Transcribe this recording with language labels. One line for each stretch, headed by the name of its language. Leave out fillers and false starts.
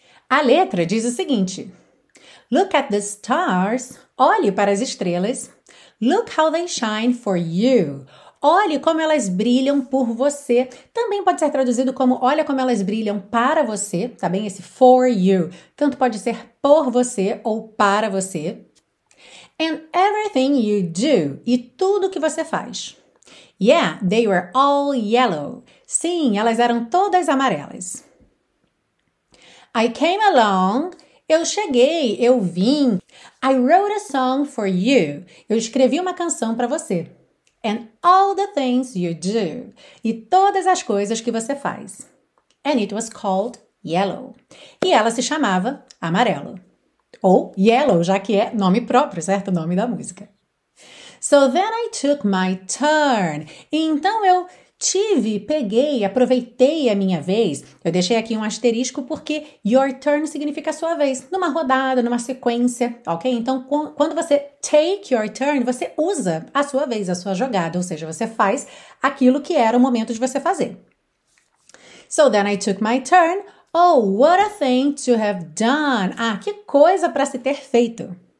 Portuguese: A letra diz o seguinte:
English: Look at the stars.
Portuguese: Olhe para as estrelas.
English: Look how they shine for you.
Portuguese: Olhe como elas brilham por você. Também pode ser traduzido como olha como elas brilham para você, tá bem? Esse for you. Tanto pode ser por você ou para você.
English: And everything you do.
Portuguese: E tudo que você faz.
English: Yeah, they were all yellow.
Portuguese: Sim, elas eram todas amarelas.
English: I came along,
Portuguese: eu cheguei, eu vim.
English: I wrote a song for you,
Portuguese: eu escrevi uma canção para você.
English: And all the things you do,
Portuguese: e todas as coisas que você faz.
English: And it was called Yellow.
Portuguese: E ela se chamava Amarelo. Ou Yellow, já que é nome próprio, certo? O nome da música.
English: So then I took my turn.
Portuguese: Então eu tive, peguei, aproveitei a minha vez. Eu deixei aqui um asterisco porque your turn significa a sua vez, numa rodada, numa sequência, ok? Então, quando você take your turn, você usa a sua vez, a sua jogada, ou seja, você faz aquilo que era o momento de você fazer.
English: So then I took my turn. Oh, what a thing to have done!
Portuguese: Ah, que coisa para se ter feito!